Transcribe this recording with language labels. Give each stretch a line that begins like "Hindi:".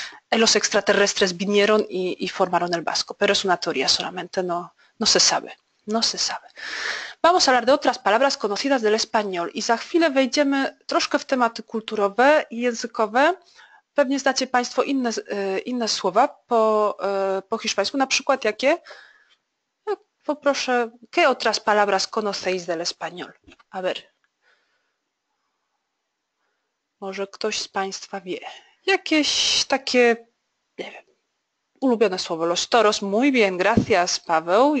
Spanish: Los extraterrestres vinieron y formaron el basco. Pero es una teoría solamente, no se sabe. No se sabe. Vamos a hablar de otras palabras conocidas del español.
Polish: I za chwilę wejdziemy troszkę w tematy kulturowe i językowe. Pewnie znacie Państwo inne słowa po hiszpańsku. Na przykład jakie? Poproszę,
Spanish: ¿qué otras palabras conocéis del español? A ver.
Polish: Może ktoś z Państwa wie. Jakieś takie, nie wiem, ulubione słowo.
Spanish: Los toros, muy bien, gracias, Paweł.